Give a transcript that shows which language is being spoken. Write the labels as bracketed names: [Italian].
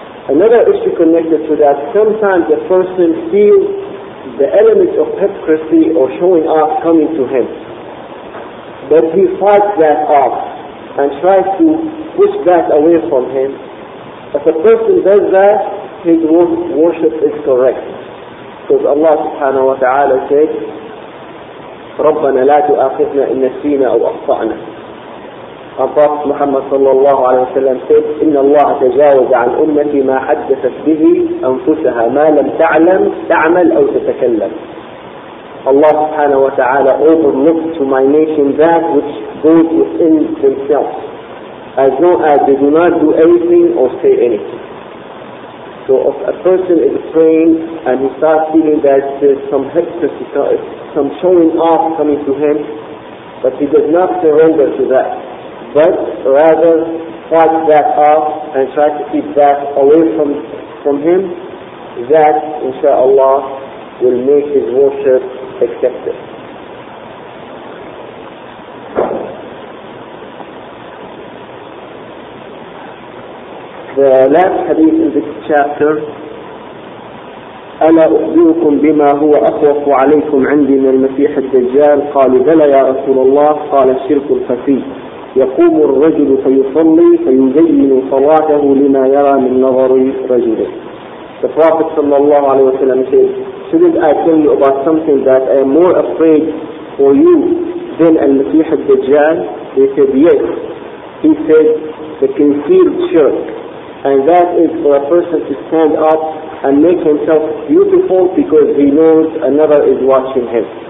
[English] Another issue connected to that, sometimes the person feels the element of hypocrisy or showing off coming to him. But he fights that off and tries to push that away from him. If a person does that, his worship is correct. Because Allah subhanahu wa ta'ala said, [Arabic] رَبَّنَا لَا تُؤَاخِذْنَا إِنَّ نَسِينَا أَوْ أَخْطَأْنَا. [English] Prophet Muhammad sallallahu alayhi wa sallam said, [Arabic] إِنَّ اللَّهَ تَجَاوَزَ عَنْ أُمَّةِ مَا حَدَّثَتْ بِهِ أَنفُسَهَا مَا لَمْ تَعْلَمْ تَعْمَلْ أَوْ تَتَكَلَّمْ. [English] Allah subhanahu wa ta'ala overlooked to my nation that which goes within themselves, as long as they do not do anything or say anything. So if a person is praying and he starts feeling that there's some hypocrisy, some showing off coming to him, but he does not surrender to that, but rather fight that off and try to keep that away from him, that inshaAllah will make his worship accepted. The last hadith in this chapter, [Arabic] أَلَا أُخْبِرُكُمْ بِمَا هُوَ أَخْوَفُ عَلَيْكُمْ عِنْدِي مِنَ الْمَسِيحِ الدَّجَّالِ قَالُوا بَلَى يَا رَسُولَ اللَّهِ قَالَ الشِّرْكُ الْخَفِيُّ يقوم الرجل فيصلي فيزين صلاته لما يرى من نظر رجله. [English] The Prophet sallallahu alayhi wa sallam said, shouldn't I tell you about something that I am more afraid for you than al-Masih al-Dajjal? He said, yes. He said, the concealed shirk. And that is for a person to stand up and make himself beautiful because he knows another is watching him.